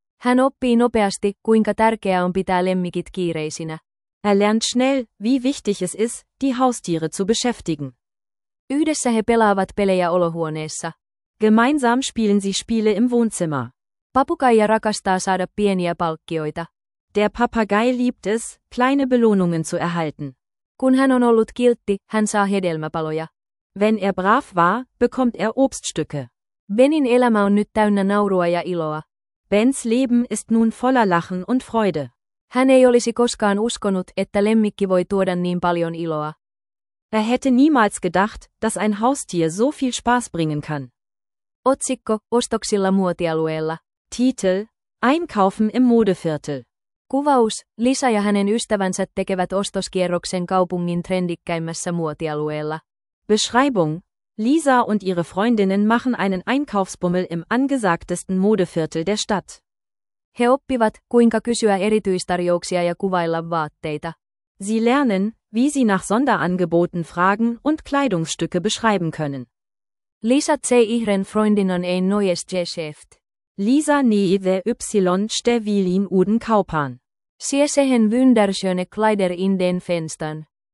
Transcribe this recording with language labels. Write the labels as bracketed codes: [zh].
[fi] Hän oppii nopeasti, kuinka tärkeää on pitää lemmikit kiireisinä. [de] Er lernt schnell, wie wichtig es ist, die Haustiere zu beschäftigen. [fi] Yhdessä he pelaavat pelejä olohuoneessa. [de] Gemeinsam spielen sie Spiele im Wohnzimmer. [fi] Papukaija rakastaa saada pieniä palkkioita. [de] Der Papagei liebt es, kleine Belohnungen zu erhalten. [fi] Kun hän on ollut kiltti, hän saa hedelmäpaloja. [de] Wenn er brav war, bekommt er Obststücke. [fi] Benin elämä on nyt täynnä naurua ja iloa. [de] Bens Leben ist nun voller Lachen und Freude. [fi] Hän ei olisi koskaan uskonut, että lemmikki voi tuoda niin paljon iloa. [de] Er hätte niemals gedacht, dass ein Haustier so viel Spaß bringen kann. [fi] Otsikko, ostoksilla muotialueella. [de] Titel, Einkaufen im Modeviertel. [fi] Kuvaus, Lisa ja hänen ystävänsä tekevät ostoskierroksen kaupungin trendikkäimmässä muotialueella. [de] Beschreibung, Lisa und ihre Freundinnen machen einen Einkaufsbummel im angesagtesten Modeviertel der Stadt. [fi] He oppivat, kuinka kysyä erityistarjouksia ja kuvailla vaatteita. [de] Sie lernen, wie sie nach Sonderangeboten fragen und Kleidungsstücke beschreiben können. Lisa zei ihren Freundinnen ein neues Geschäft. Lisa nähe der Y Stevilin Uden Kaupan. Sie sehen wunderschöne Kleider in den Fenstern.